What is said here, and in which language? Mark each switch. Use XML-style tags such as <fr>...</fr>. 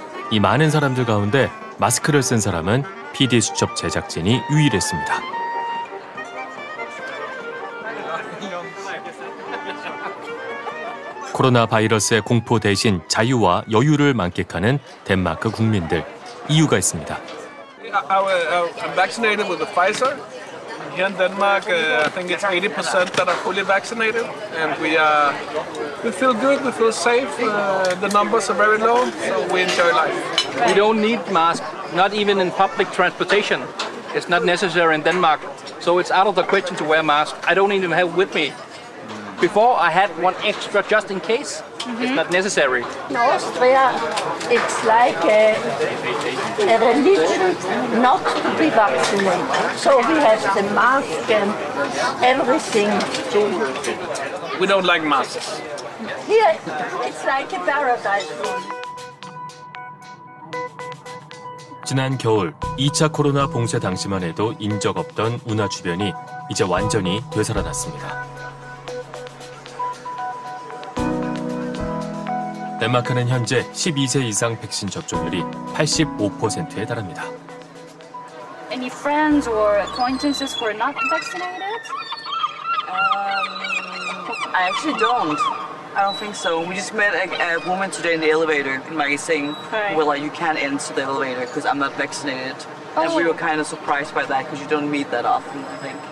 <ko>이 많은 사람들 가운데 마스크를 쓴 사람은 PD 수첩 제작진이 유일했습니다. 코로나 바이러스의 공포 대신 자유와 여유를 만끽하는 덴마크 국민들. 이유가 있습니다.</ko> <en>I'm vaccinated with the Pfizer. Here in Denmark, I think it's 80% that are fully vaccinated, and we feel good, we feel safe. The numbers are very low, so we enjoy life. We don't need masks, not even in public transportation. It's not necessary in Denmark, so it's out of the question to wear masks. I don't even have it with me. Before, I had one extra just in case. It's not necessary. In Austria, it's like a religion not to be vaccinated. So we have the mask and everything. We don't like masks. Here, it's like a paradise.</en> <ko>지난 겨울, 2차 코로나 봉쇄 당시만 해도 인적 없던 운하 주변이 이제 완전히 되살아났습니다. 덴마크는 현재 12세 이상 백신 접종률이 85%에 달합니다.</ko> <en>Any friends or acquaintances who are not vaccinated? I actually don't. I don't think so. We just met a woman today in the elevator and Maggie saying, well, like, you can't enter the elevator because I'm not vaccinated. And we were kind of surprised by that because you don't meet that often, I think.</en>